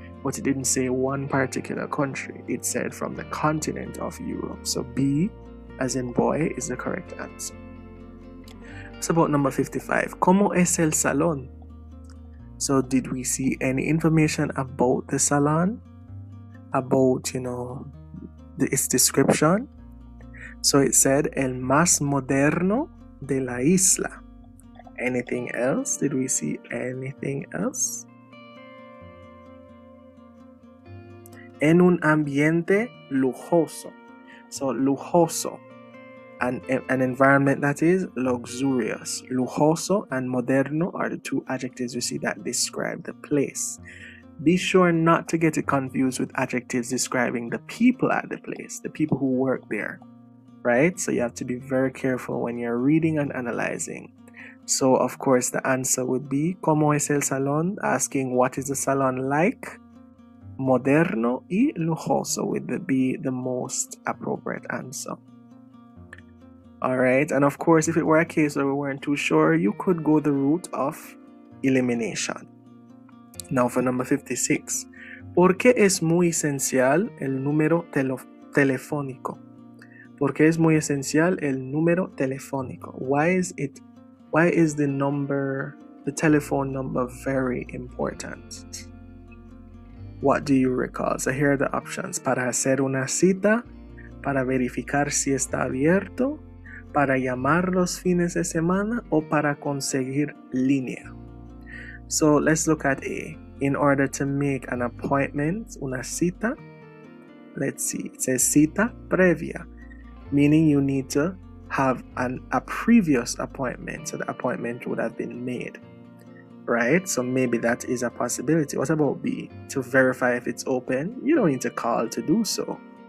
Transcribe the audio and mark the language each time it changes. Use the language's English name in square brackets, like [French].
[English] But it didn't say one particular country. It said from the continent of Europe. So B, as in boy, is the correct answer. What's about number 55? [Spanish] ¿Cómo es el salón? [English] So did we see any information about the salón? About, you know, its description? So it said, [Spanish] el más moderno de la isla. [English] Anything else? Did we see anything else? [Spanish] En un ambiente lujoso. So lujoso. [English] an environment that is luxurious. Lujoso and moderno are the two adjectives you see that describe the place. Be sure not to get it confused with adjectives describing the people at the place, the people who work there, right? So you have to be very careful when you're reading and analyzing. So, of course, the answer would be, [Spanish] ¿Cómo es el salón? [English] Asking, what is the salón like? [Spanish] Moderno y lujoso [English] would be the most appropriate answer. All right, and of course, if it were a case where we weren't too sure, you could go the route of elimination. Now for number 56. [Spanish] ¿Por qué es muy esencial el número telefónico? ¿Por qué es muy esencial el número telefónico? [English] Why is the number, the telephone number, very important? What do you recall? So here are the options. [Spanish] Para hacer una cita, para verificar si está abierto, para llamar los fines de semana, o para conseguir línea. [English] So let's look at A. In order to make an appointment, una cita, let's see, it says cita previa, meaning you need to have a previous appointment, so the appointment would have been made, right? So maybe that is a possibility. What about B? To verify if it's open, you don't need to call to do so.